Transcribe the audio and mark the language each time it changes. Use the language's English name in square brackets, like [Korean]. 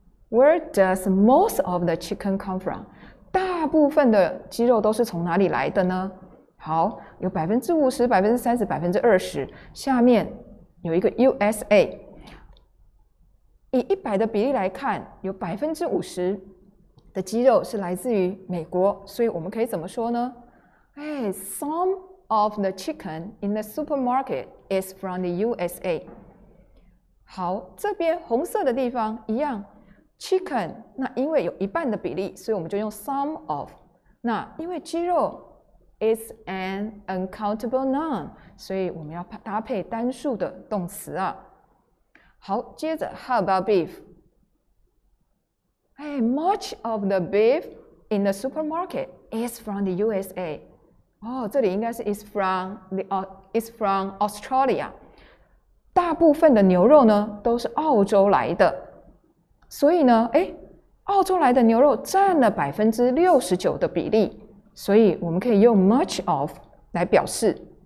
[English] Where does most of the chicken come from? [Chinese] 大部分的鸡肉都是从哪里来的呢？好，有 50%, 30%, 20%。下面有一个 USA。以100的比例来看，有 50% 的鸡肉是来自于美国，所以我们可以怎么说呢？ [English] Some of the chicken in the supermarket is from the USA。 [Chinese] 好，这边红色的地方一样 ，chicken， 那因为有一半的比例，所以我们就用 some of。那因为鸡肉 [English] is an uncountable noun， [Chinese] 所以我们要搭配单数的动词啊。 [English] 好，接着 ，how about beef？ Much of the beef in the supermarket is from the USA。 [Chinese] 哦，这里应该是 [English] is from Australia。 [Chinese] 大部分的牛肉呢都是澳洲来的，所以呢，澳洲来的牛肉占了 69% 的比例，所以我们可以用 much of 来表示。